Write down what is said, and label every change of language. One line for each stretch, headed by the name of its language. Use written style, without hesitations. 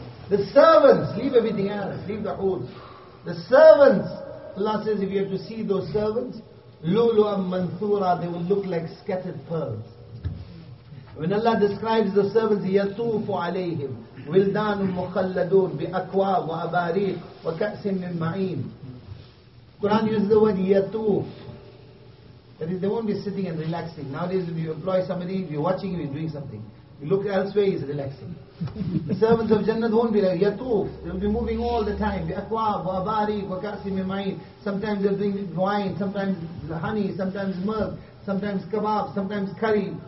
English: The servants, leave everything else, leave the hood. The servants, Allah says, if you have to see those servants,
Arabic: لُؤْلُؤًا مَنْثُورًا,
English: they will look like scattered pearls. When Allah describes the servants,
Arabic: يَطُوفُ عَلَيْهِمْ وِلْدَانٌ مُخَلَّدُونَ بِأَكْوَابٍ وَأَبَارِيقٍ وَكَأْسٍ مِنْ مَعِينٍ.
English: Quran uses the word يَطُوف. That is, they won't be sitting and relaxing. Nowadays, if you employ somebody, if you're watching him, he's doing something. You look elsewhere, he's relaxing. The servants of Jannah won't be like, Yatuf. They'll be moving all the time.
Arabic: Akwab, Wabari, Wakasi, Mimain.
English: Sometimes they'll drink wine, sometimes honey, sometimes milk, sometimes kebab, sometimes curry.